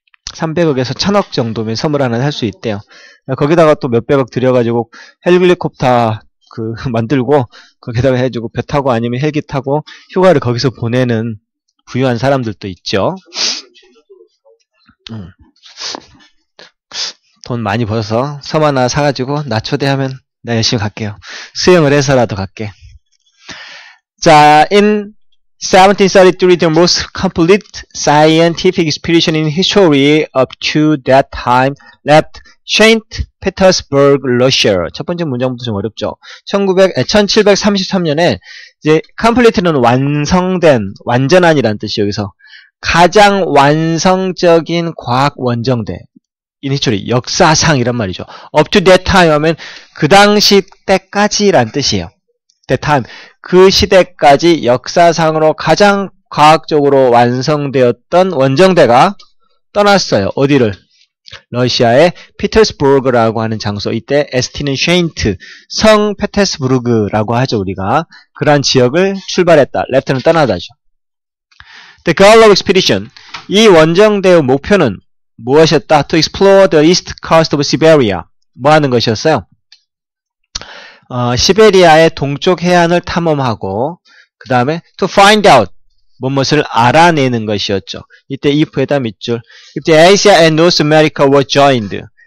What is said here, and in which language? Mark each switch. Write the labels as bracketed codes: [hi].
[ko] 300억에서 1000억 정도면 섬을 하나 살 수 있대요. 거기다가 또 몇백억 들여가지고 헬리콥터 그 만들고 거기다가 해주고 배 타고 아니면 헬기 타고 휴가를 거기서 보내는 부유한 사람들도 있죠. 돈 많이 벌어서 섬 하나 사가지고 나 초대하면 나 열심히 갈게요. 수영을 해서라도 갈게. [en] 자, in 1733, the most complete scientific expedition in history up to that time left Saint Petersburg, Russia. [ko] 첫 번째 문장부터 좀 어렵죠. 1733년에 이제 complete는 완성된, 완전한이란 뜻이 여기서 가장 완성적인 과학 원정대 [en] in history, [ko] 역사상 이란 말이죠. [en] up to that time [ko] 하면 그 당시 때까지란 뜻이에요. [en] that time, [ko] 그 시대까지 역사상으로 가장 과학적으로 완성되었던 원정대가 떠났어요. 어디를? 러시아의 피터스부르그라고 하는 장소. 이때 ST는 쉐인트, 성 페테스부르그라고 하죠, 우리가. 그런 지역을 출발했다. 레프트는 떠나다죠. [en] The goal of expedition. [ko] 이 원정대의 목표는 무엇이었다? [en] To explore the east coast of Siberia. [ko] 뭐 하는 것이었어요? 시베리아의 동쪽 해안을 탐험하고, 그 다음에 [en] to find out. [ko] 무엇을 알아내는 것이었죠. 이때 if에 다 밑줄. [en] If the Asia and North America were joined.